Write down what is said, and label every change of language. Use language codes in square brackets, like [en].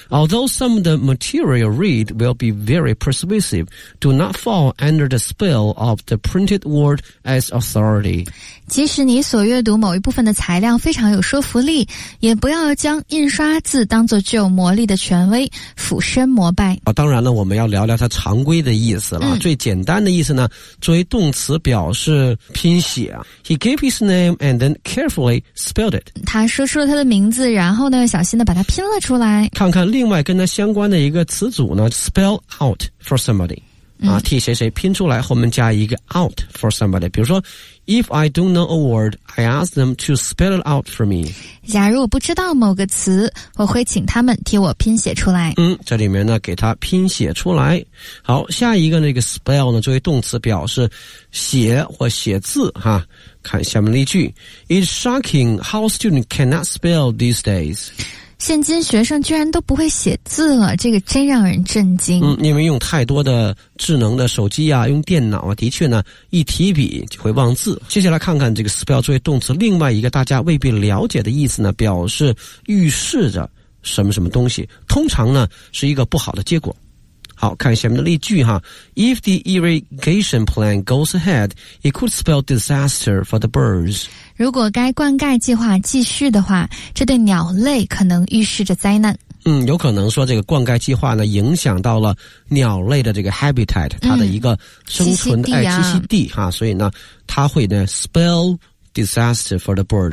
[en] Although some of the material read will be very persuasive, do not fall under the spell of the printed word as authority. [zh] 即使你所阅读某一部分的材料非常有说服力，也不要将印刷字当作具有魔力的权威俯身膜拜。当然了，我们要聊聊它常规的意思了。最简单的意思呢，作为动词表示拼写。 [en] He gave his name and then carefully spelled it. [zh] 他说出了他的名字，然后呢小心的把它拼了出来。看看另外跟它相关的一个词组呢 [en] spell out for somebody [zh] 啊，替谁谁拼出来，后面加一个 [en] out for somebody。 [zh] 比如说 [en] If I don't know a word I ask them to spell it out for me。 [zh] 假如我不知道某个词，我会请他们替我拼写出来。这里面呢给它拼写出来。好，下一个那个 spell 呢作为动词表示写或写字哈。 [en] 看下面例句 It's shocking how students cannot spell these days. [zh] 现今学生居然都不会写字了，这个真让人震惊。因为用太多的智能的手机啊，用电脑啊，的确呢一提笔就会忘字。接下来看看这个 spell 作为动词另外一个大家未必了解的意思呢，表示预示着什么什么东西，通常呢是一个不好的结果。好，看下面的例句哈。 [en] If the irrigation plan goes ahead, it could spell disaster for the birds. [zh] 如果该灌溉计划继续的话，这对鸟类可能预示着灾难。有可能说这个灌溉计划呢，影响到了鸟类的这个 habitat， 它的一个生存的栖息地哈，所以呢，它会呢 [en] spell disaster for the birds。